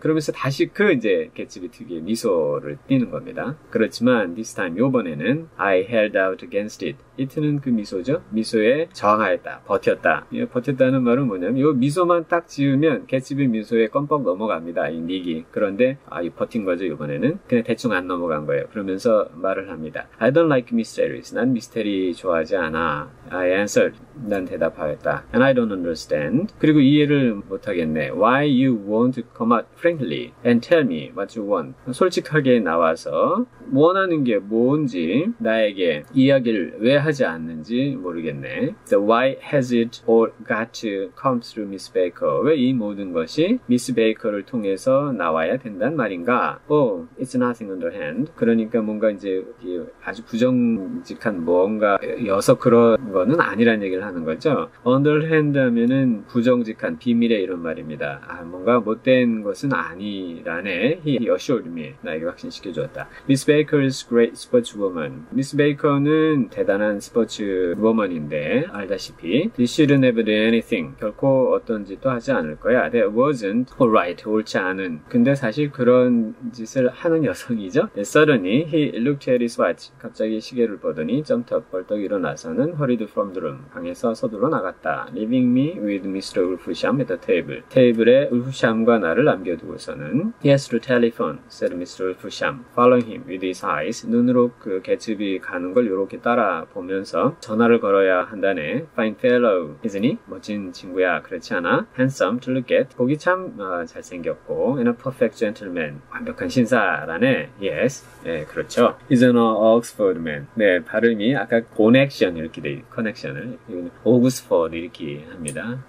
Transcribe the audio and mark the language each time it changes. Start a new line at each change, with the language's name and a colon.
Korean: 그러면서 다시 그 이제 개츠비 특유의 미소를 띠는 겁니다. 그렇지만
English: this time
Korean: 요번에는
English: I held out against it.
Korean: It는 그 미소죠. 미소에 저항하였다, 버텼다. 이 버텼다는 말은 뭐냐면 요 미소만 딱 지으면 개츠비 미소에 껌뻑 넘어갑니다. 이 닉이. 그런데 아, 이 버틴 거죠 요번에는. 그냥 대충 안 넘어간 거예요. 그러면서 말을 합니다.
English: I don't like mysteries.
Korean: 난 미스테리 좋아하지 않아.
English: I answered.
Korean: 난 대답하였다.
English: And I don't understand.
Korean: 그리고 이해를 못하겠네.
English: Why you won't come out frankly and tell me what you want?
Korean: 솔직하게 나와서 원하는 게 뭔지, 나에게 이야기를 왜 하지 않는지 모르겠네.
English: So why has it all got to come through Miss Baker?
Korean: 왜이 모든 것이 Miss Baker를 통해서 나와야 된단 말인가?
English: Oh, it's nothing underhand.
Korean: 그러니까 뭔가 이제 아주 부정직한 뭔가여서 그런 거는 아니란 얘기를 하는 거죠. Underhand 하면은 부정직한 비밀의 이런 말입니다. 아, 뭔가 못된 것은 아니라네.
English: He assured me.
Korean: 나에게 확신시켜 주었다.
English: Miss Baker's great sportswoman.
Korean: Miss Baker는 대단한 스포츠워먼인데 알다시피
English: she shouldn't have done anything.
Korean: 결코 어떤지도 하지 않을 거야.
English: That wasn't alright.
Korean: 옳지 않은. 근데 사실 그런 짓을 하는 여성이죠.
English: And suddenly he looked at his watch.
Korean: 갑자기 시계를 보더니 점터 벌떡 일어나서는
English: hurried from the room.
Korean: 방에서 서둘러 나갔다.
English: Leaving me with Mr. Ulfusham at the table.
Korean: 테이블에 울프샴과 나를 남겨두고서는
English: he has to telephone, said Mr. Ulfusham, following him with his eyes.
Korean: 눈으로 그 개츠비 가는 걸 이렇게 따라보면서 전화를 걸어야 한다네.
English: Fine fellow, isn't he?
Korean: 멋진 친구야, 그렇지 않아?
English: Handsome to look at.
Korean: 보기 참 잘생겼고
English: and a perfect gentleman.
Korean: 완벽한 신사라네.
English: Yes,
Korean: 예, 그렇죠.
English: He's an Oxford man.
Korean: 네, 발음이 아까 connection 이렇게 돼 커넥션을 오구스퍼드 이렇게 합니다.